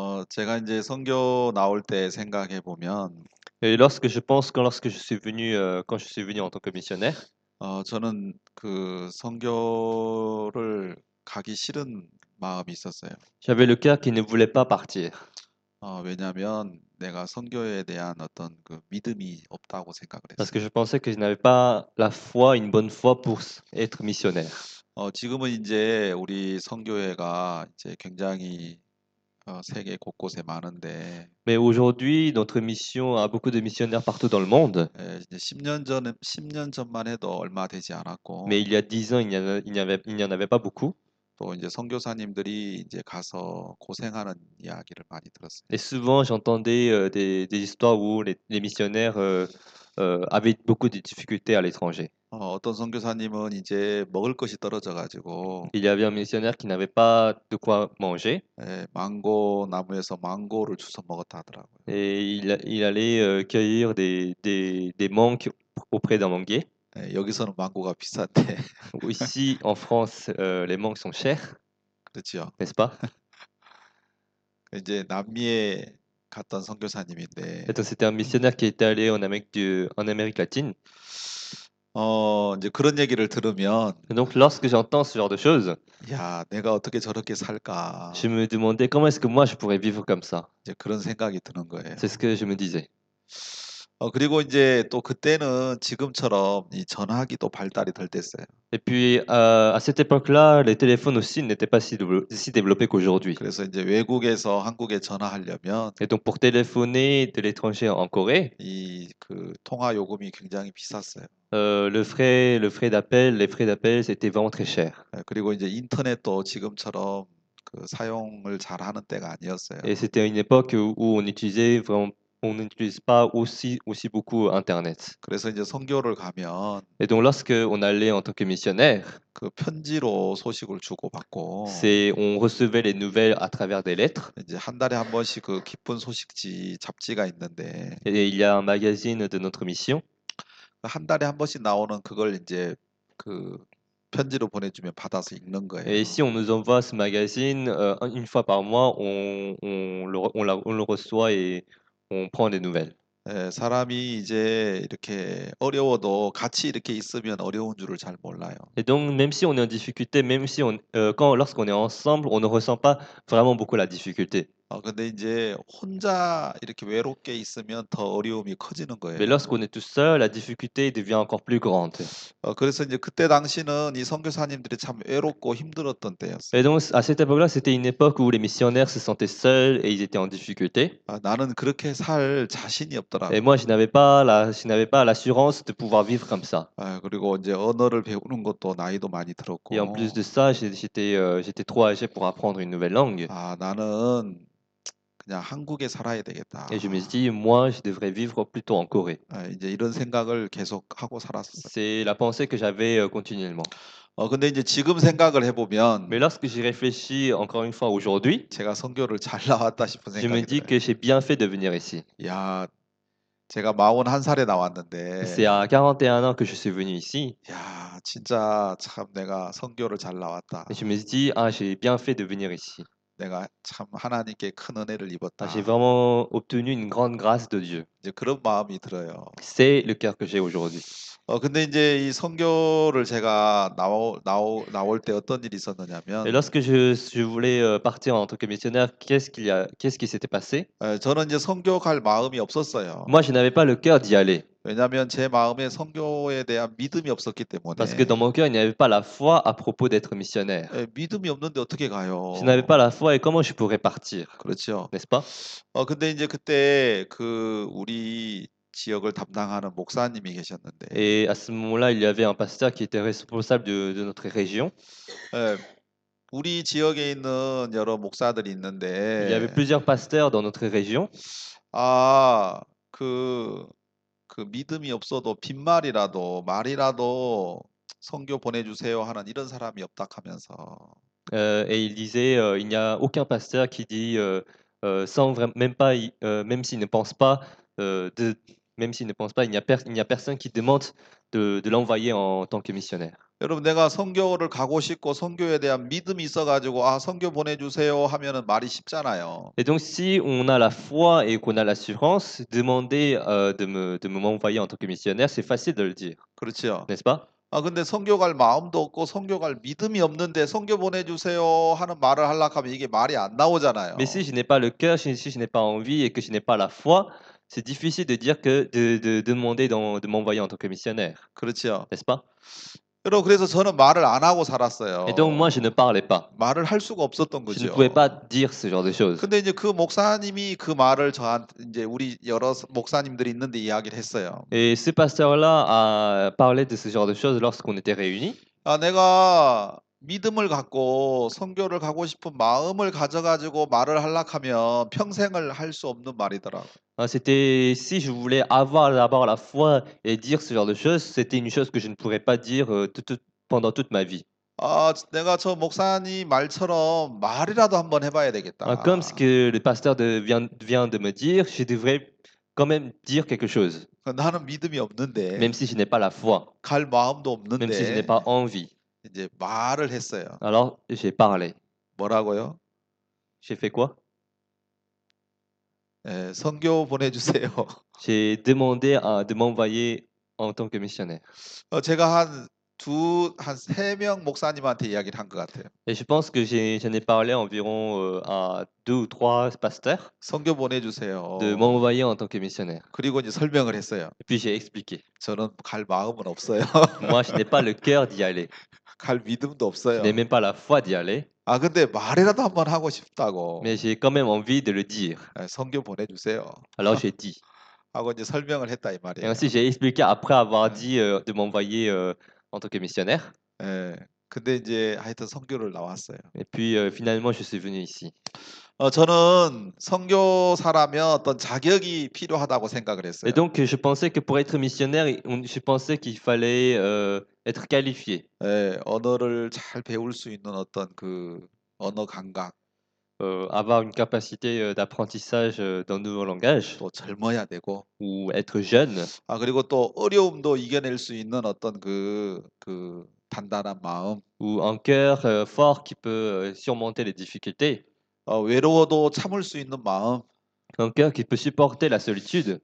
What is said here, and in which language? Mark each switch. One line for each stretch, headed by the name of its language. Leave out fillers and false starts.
Korean: 제가 이제 선교 나올 때 생각해 보면
French: Et lorsque je pense que lorsque je suis venu quand je suis venu en tant que missionnaire
Korean: 저는 그 선교를 가기 싫은 마음이 있었어요.
French: J'avais le cœur qui ne voulait pas partir.
Korean: 왜냐면 내가 선교에 대한 어떤 그 믿음이 없다고 생각을 했어요.
French: Parce que je pensais que je n'avais pas la foi, une bonne foi pour être missionnaire.
Korean: 지금은 이제 우리 선교회가 이제 굉장히 세계 곳곳에 많은데.
French: Mais aujourd'hui, notre mission a beaucoup de missionnaires partout dans le monde.
Korean: 10년 전만 해도 얼마 되지 않았고.
French: Mais il y a 10 ans, il n'y en avait pas beaucoup.
Korean: 또 이제 선교사님들이 이제 가서 고생하는 이야기를 많이 들었어요.
French: Et souvent, j'entendais des histoires où les missionnaires avaient beaucoup de difficultés à l'étranger.
Korean: 어떤 선교사님은 이제 먹을 것이 떨어져 가지고
French: Il y avait un missionnaire qui n'avait pas de quoi manger.
Korean: 망고 나무에서 망고를 주워 먹었다 하더라고요.
French: Et il allait cueillir des mangues auprès d'un manguier.
Korean: 여기서는 망고가 비싼데.
French: Ici en France, les mangues sont chères.
Korean: 그렇죠.
French: N'est-ce pas?
Korean: 이제 남미에 갔던 선교사님인데.
French: Et donc c'était un missionnaire qui était allé en Amérique latine.
Korean: 이제 그런 얘기를 들으면
French: Donc lorsque j'entends ce genre de choses,
Korean: 야, 내가 어떻게 저렇게 살까?
French: Je me demandais comment est-ce que moi je pourrais vivre comme ça.
Korean: 이제 그런 생각이 드는 거예요.
French: C'est ce que je me disais.
Korean: 그리고 이제 또 그때는 지금처럼 이 전화기도 발달이 덜 됐어요.
French: Et puis à cette époque-là, les téléphones aussi n'étaient pas si développés qu'aujourd'hui.
Korean: 그래서 이제 외국에서 한국에 전화하려면
French: Et donc pour téléphoner de l'étranger en Corée,
Korean: 이 그 통화 요금이 굉장히 비쌌어요.
French: Les frais d'appel, c'était vraiment très cher.
Korean: 그리고 이제 인터넷도 지금처럼 그 사용을 잘하는 때가 아니었어요.
French: Et c'était une époque où on utilisait vraiment On n'utilise pas aussi beaucoup Internet.
Korean: 그래서 이제 선교를 가면
French: Et donc, lorsque on allait en tant que missionnaire,
Korean: 그 편지로 소식을 주고받고
French: c'est on recevait les nouvelles à travers des lettres.
Korean: 이제 한 달에 한 번씩 그 기쁜 소식지 잡지가 있는데
French: Et il y a un magazine de notre mission.
Korean: 한 달에 한 번씩 나오는 그걸 이제 그 편지로 보내주면 받아서 읽는
French: Et
Korean: 거예요.
French: ici, on nous envoie ce magazine une fois par mois. On le reçoit et on prend des nouvelles.
Korean: 예, 사람이 이제 이렇게 어려워도 같이 이렇게 있으면 어려운 줄을 잘 몰라요.
French: Et donc, même si on est en difficulté, même si on, quand lorsqu'on est ensemble, on ne ressent pas vraiment beaucoup la difficulté.
Korean: 근데 이제 혼자 이렇게 외롭게 있으면 더 어려움이 커지는
French: Mais
Korean: 거예요.
French: lorsqu'on est tout seul, la difficulté devient encore plus grande.
Korean: 그래서 이제 그때 당시는 이 선교사님들이 참 외롭고 힘들었던 때였어요.
French: Et donc, à cette époque-là, c'était une époque où les missionnaires se sentaient seuls et ils étaient en difficulté.
Korean: 나는 그렇게 살 자신이
French: Et moi,
Korean: 없더라고.
French: je n'avais pas l'assurance de pouvoir vivre comme ça.
Korean: 그리고 이제 언어를 배우는 것도 나이도 많이
French: Et en plus
Korean: 들었고.
French: de ça, j'étais trop âgé pour apprendre une nouvelle langue.
Korean: 나는 그냥 한국에 살아야
French: Et je me suis
Korean: 되겠다.
French: dit, moi, je devrais vivre plutôt en Corée.
Korean: 이제 이런 생각을 계속 하고 살았었어요.
French: C'est la pensée que j'avais continuellement.
Korean: 근데 이제 지금 생각을 해보면
French: Mais lorsque j'y réfléchis encore une fois aujourd'hui,
Korean: 제가 선교를 잘 나왔다 싶은
French: je
Korean: 생각이
French: me dis que j'ai bien fait de venir ici.
Korean: 들어요. 야, 제가 41살에 나왔는데,
French: C'est à 41 ans que je suis venu ici.
Korean: 야, 진짜 참 내가 선교를 잘 나왔다.
French: Et je me suis dit, ah, j'ai bien fait de venir ici.
Korean: 내가 참 하나님께 큰 은혜를
French: Ah, j'ai
Korean: 입었다.
French: vraiment obtenu une grande grâce de Dieu.
Korean: 이제 그런 마음이 들어요.
French: C'est le cœur que j'ai aujourd'hui.
Korean: 근데 이제 이 선교를 제가 나올 때 어떤 일이 있었느냐면,
French: Et lorsque je voulais partir en tant que missionnaire, qu'est-ce qui s'était passé?
Korean: 저는 이제 선교 갈 마음이 없었어요.
French: Moi, je n'avais pas le cœur d'y aller.
Korean: 왜냐하면 제 마음에 선교에 대한 믿음이 없었기
French: Parce que dans mon cœur, il n'y avait pas la foi à propos d'être missionnaire.
Korean: 믿음이 없는데 어떻게
French: Je n'avais pas la foi et comment je pourrais partir,
Korean: 그렇죠.
French: n'est-ce pas?
Korean: 근데 이제 그때 그 우리 지역을 담당하는 목사님이 계셨는데,
French: Et à ce moment-là, il y avait un pasteur qui était responsable de notre région.
Korean: 우리 지역에 있는 여러 목사들이
French: Il y
Korean: 있는데,
French: avait plusieurs pasteurs dans notre région.
Korean: 그 믿음이 없어도 빈말이라도 말이라도 선교 보내주세요 하는 이런 사람이 없다 하면서.
French: Et il disait, il n'y a aucun pasteur qui dit, même s'il ne pense pas, même s'il ne pense pas, il n'y a personne qui demande de l'envoyer en tant que missionnaire.
Korean: 여러분, 내가 선교를 가고 싶고 선교에 대한 믿음이 있어가지고 선교 보내주세요 하면은 말이 쉽잖아요.
French: Et donc, si on a la foi et qu'on a l'assurance, demander de m'envoyer en tant que missionnaire, c'est facile de le dire,
Korean: 그렇죠.
French: n'est-ce pas?
Korean: 근데 선교 갈 마음도 없고 선교 갈 믿음이 없는데 선교 보내주세요 하는 말을 하려고 하면 이게 말이 안
French: Mais
Korean: 나오잖아요.
French: si je n'ai pas le cœur, si je n'ai pas envie et que je n'ai pas la foi, c'est difficile de dire de demander de m'envoyer en tant que missionnaire,
Korean: 그렇죠.
French: n'est-ce pas?
Korean: 그래서 저는 말을 안 하고
French: Et donc, moi,
Korean: 살았어요.
French: je ne parlais pas.
Korean: 말을 할 수가 없었던
French: Je ne
Korean: 거죠.
French: pouvais pas dire ce genre de choses.
Korean: 근데 이제 그 목사님이 그 말을 저한테 이제 우리 여러 목사님들이 있는데 이야기를 했어요.
French: Et ce pasteur-là a parlé de ce genre de choses lorsqu'on était réunis.
Korean: 내가 믿음을 갖고 선교를 가고 싶은 마음을 가져가지고 말을 하려고 하면 평생을 할수 없는 말이더라고.
French: C'était si je voulais avoir d'abord la foi et dire ce genre de choses, c'était une chose que je ne pourrais pas dire pendant toute ma vie.
Korean: 내가 저 목사님 말처럼 말이라도 한번 해봐야
French: Comme ce
Korean: 되겠다.
French: que le pasteur vient de me dire, je devrais quand même dire quelque chose.
Korean: 나는 믿음이
French: Même
Korean: 없는데,
French: si je n'ai pas la foi,
Korean: 갈 마음도
French: même si je n'ai
Korean: 없는데,
French: pas envie.
Korean: 이제 말을 했어요.
French: Alors, j'ai parlé.
Korean: 뭐라고요?
French: J'ai fait quoi?
Korean: 선교 보내주세요.
French: J'ai demandé de m'envoyer en tant que missionnaire.
Korean: 제가 한세명 목사님한테 이야기를 한것 같아요.
French: Et je pense que j'en ai parlé environ à deux ou trois pasteurs
Korean: "선교 보내주세요."
French: de m'envoyer en tant que missionnaire.
Korean: 그리고 이제 설명을 했어요.
French: Et puis j'ai expliqué.
Korean: "저는 갈 마음은 없어요."
French: Moi, je n'ai pas le cœur d'y aller.
Korean: "갈 믿음도
French: Je n'ai
Korean: 없어요."
French: même pas la foi d'y aller.
Korean: 근데 말이라도 한번 하고 싶다고.
French: Mais j'ai quand même envie de le dire.
Korean: 선교 보내주세요.
French: Alors j'ai dit.
Korean: "하고 이제 설명을 했다 이
French: Et ainsi, j'ai expliqué après avoir dit de m'envoyer en tant que missionnaire.
Korean: 근데 이제 하여튼 선교를 나왔어요.
French: Et puis finalement, je suis venu ici.
Korean: 저는 선교사라면 어떤 자격이 필요하다고 생각을
French: Et
Korean: 했어요.
French: donc, je pensais que pour être missionnaire, je pensais qu'il fallait être qualifié.
Korean: 네, 언어를 잘 배울 수 있는 어떤 그 언어 감각.
French: Avoir une capacité d'apprentissage d'un nouveau langage
Korean: 또 젊어야 되고.
French: ou être jeune.
Korean: 아, 그리고 또 어려움도 이겨낼 수 있는 어떤 그 단단한 마음.
French: Ou un cœur fort qui peut surmonter les difficultés.
Korean: 외로워도 참을 수 있는 마음.
French: Un cœur qui peut supporter la solitude.